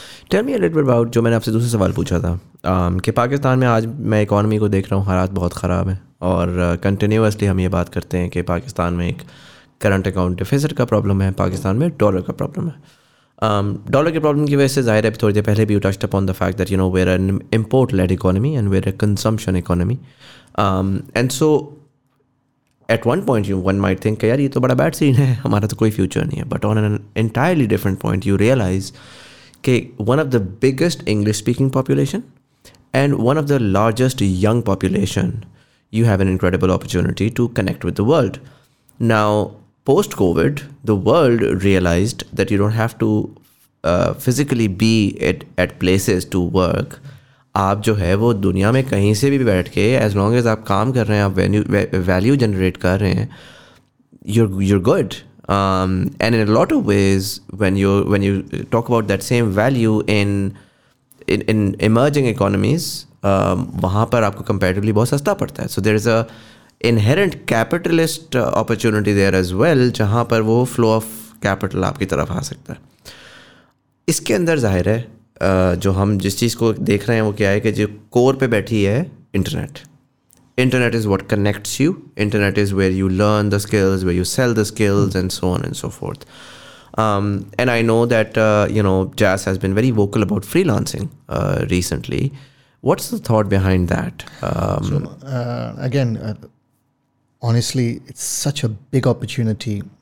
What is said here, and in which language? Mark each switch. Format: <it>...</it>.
<en>tell me a little about,</en> <hi>जो मैंने आपसे दूसरा सवाल पूछा था कि पाकिस्तान में आज मैं इकॉनमी को देख रहा हूँ, हालात बहुत ख़राब हैं, और कंटिन्यूसली हम ये बात करते हैं कि पाकिस्तान में एक करंट अकाउंट डिफिसिट का प्रॉब्लम है, पाकिस्तान में डॉलर का प्रॉब्लम है. डॉलर के प्रॉब्लम की वजह से जाहिर है थोड़ी देर पहले भी</hi> <en>You touched upon the fact that you know where an import led economy and where a consumption economy. And so at one point you one might think</en> <hi>यार ये तो बड़ा बैड सीन है, हमारा तो कोई फ्यूचर नहीं है.</hi> <en>But on an entirely different point you realize कि one of the biggest English speaking population and one of the largest young population, you have an incredible opportunity to connect with the world. Now, post-COVID, the world realized that you don't have to physically be at places to work.</en> <hi>आप जो है वो दुनिया में कहीं से भी बैठ के,</hi> <en>as long as</en> <hi>आप काम कर रहे हैं, आप value generate कर रहे हैं,</hi> <en>you're good. And in a lot of ways, when you talk about that same value in emerging economies,</en> <hi>वहाँ पर आपको comparatively बहुत सस्ता पड़ता है.</hi> <en>So there is a inherent capitalist opportunity there as well,</en> <hi>जहाँ पर वो flow of capital आपकी तरफ आ सकता है. इसके अंदर जाहिर है जो हम जिस चीज़ को देख रहे हैं वो क्या है कि जो कोर पे बैठी है internet.</hi> <en>Internet is what connects you. Internet is where you learn the skills, where you sell the skills, and so on and so forth. And I know that, Jas has been very vocal about freelancing recently. What's the thought behind that? Honestly, it's such a big opportunity.</en>